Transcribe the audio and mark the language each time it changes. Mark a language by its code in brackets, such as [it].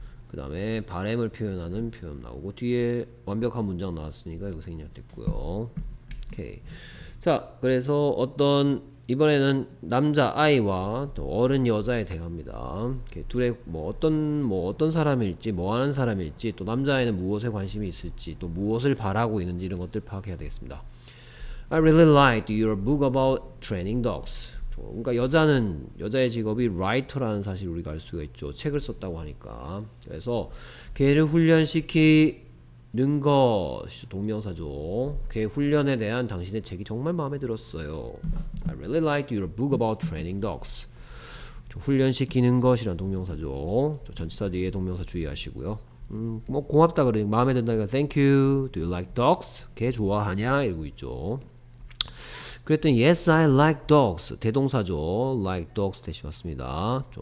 [ko] 그 다음에 바람을 표현하는 표현 나오고 뒤에 완벽한 문장 나왔으니까 이거 생략됐고요. 오케이. 자, 그래서 어떤 이번에는 남자 아이와 또 어른 여자에 대화합니다. 둘의 어떤 사람일지 뭐 하는 사람일지 또 남자아이는 무엇에 관심이 있을지 또 무엇을 바라고 있는지 이런 것들 파악해야 되겠습니다. [en] I really liked your book about training dogs. [ko] 그러니까 여자의 직업이 라이터라는 사실 우리가 알 수가 있죠. 책을 썼다고 하니까. 그래서 개를 훈련시키는 것 동명사죠. 개 훈련에 대한 당신의 책이 정말 마음에 들었어요. [en] I really liked your book about training dogs. [ko] 훈련시키는 것이란 동명사죠. 전치사 뒤에 동명사 주의하시고요. 뭐 고맙다 그러니 마음에 든다니까 [en] thank you. Do you like dogs? [ko] 개 좋아하냐 이러고 있죠. 그랬더니 [en] yes I like dogs [ko] 대동사죠. [en] like dogs [ko] 대시 맞습니다.